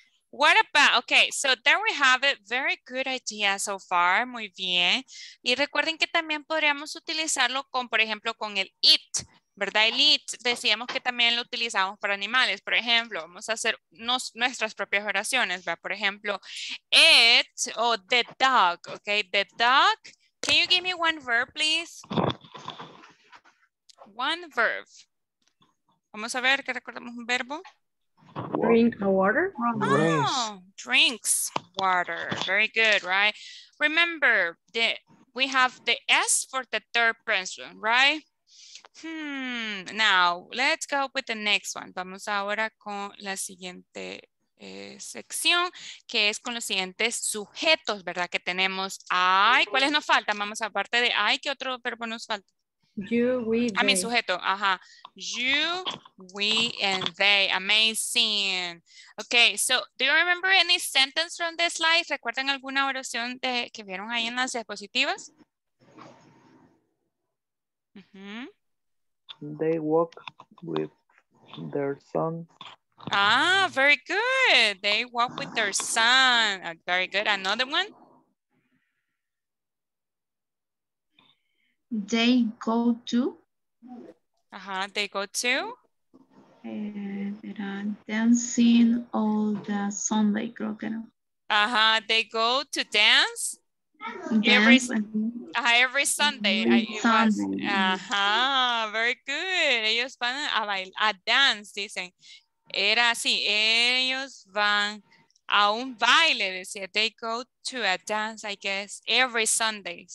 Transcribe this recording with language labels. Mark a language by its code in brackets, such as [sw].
[en] What about, okay, so there we have it. Very good idea so far. [es] Muy bien. Y recuerden que también podríamos utilizarlo con, por ejemplo, con el it, ¿verdad? El it, decíamos que también lo utilizamos para animales. Por ejemplo, vamos a hacer nuestras propias oraciones, ¿verdad? Por ejemplo, [en] it o the dog, okay? The dog. Can you give me one verb, please? One verb. [es] Vamos a ver, ¿qué recordamos un verbo? [en] Drink water. Oh, drinks water. Very good, right? Remember that we have the S for the third person, right? Now, let's go with the next one. [es] Vamos ahora con la siguiente sección, que es con los siguientes sujetos, ¿verdad? Que tenemos I. ¿Cuáles nos faltan? Vamos, aparte de I, ¿qué otro verbo nos falta? [en] You, we, they. I mean, sujeto, ajá. You, we, and they. Amazing. Okay, so do you remember any sentence from this slide? [es] ¿Recuerdan alguna oración de, que vieron ahí en las diapositivas? [en] Mm-hmm. They walk with their son. Ah, very good. They walk with their son. Very good. Another one? They go to. Uh-huh, they go to. Dancing all the Sunday, [es] creo que no. [en] Uh-huh, they go to dance. Every Sunday. Uh-huh, very good. [es] Ellos van a bailar, a dance, dicen. Era así, ellos van a un baile, decía. [en] They go to a dance, I guess, every Sunday.